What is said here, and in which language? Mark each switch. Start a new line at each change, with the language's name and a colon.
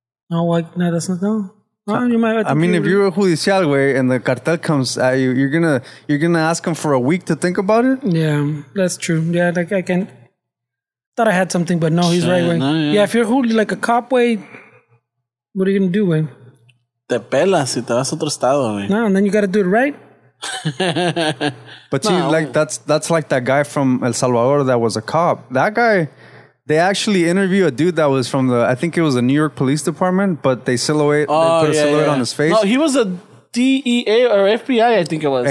English: No, like no, that's not though. No. Well, if you're a judicial, way, and the cartel comes at you, you're gonna ask him for a week to think about it. Yeah, that's true. Yeah, like I can thought I had something, but no, he's right. Yeah, if you're like a cop, way, what are you gonna do, way?
Spanish: Te pelas si te vas a otro estado, way.
English: No, and then you gotta do it right. But no. See, like that's like that guy from El Salvador that was a cop. That guy. They actually interview a dude that was from the, I think it was the New York Police Department, but they put a silhouette on his face. No, he was a DEA or FBI, I think it was.